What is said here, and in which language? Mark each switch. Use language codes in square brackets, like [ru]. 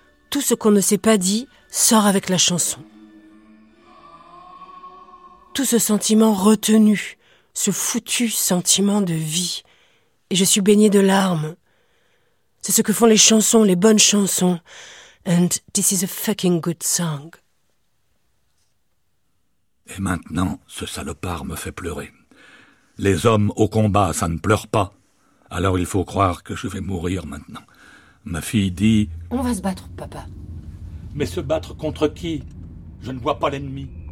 [fr] Tout ce qu'on ne s'est pas dit sort avec la chanson. Tout ce sentiment retenu, ce foutu sentiment de vie. Et je suis baignée de larmes. C'est ce que font les chansons, les bonnes chansons. [en] And this is a fucking good song. [fr] Et maintenant, ce salopard me fait pleurer. Les hommes au combat, ça ne pleure pas. Alors il faut croire que je vais mourir maintenant. Ma fille dit... On va se battre, papa. Mais se battre contre qui ? Je ne vois pas l'ennemi.